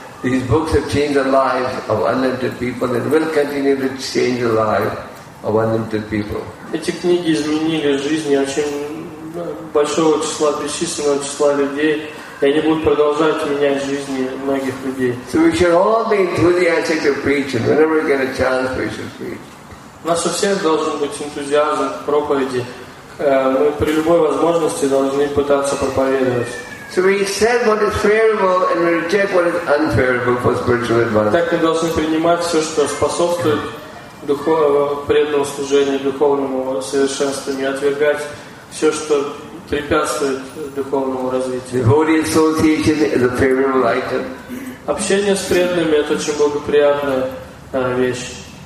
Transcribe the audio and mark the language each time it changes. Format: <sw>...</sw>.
<en>These books have changed the lives of unlimited people and will continue to change the lives of unlimited people.</en> <ru>Эти книги изменили жизни очень большого числа, бесчисленного числа людей, и они будут продолжать менять жизни многих людей.</ru> <en>So we should all be enthusiastic to preach, and whenever we get a chance, we should preach.</en> <ru>У нас у всех должен быть энтузиазм к проповеди. Мы при любой возможности должны пытаться проповедовать.</ru> <en>So we accept what is favorable and we reject what is unfavorable for spiritual advance.</en> <ru>Так мы должны принимать все, что способствует духовному преданному служению, духовному совершенствованию, и отвергать все, что препятствует духовному развитию.</ru> <en>Devotee association is a favorable item.</en> <ru>Общение с преданными – это очень благоприятная вещь.</ru>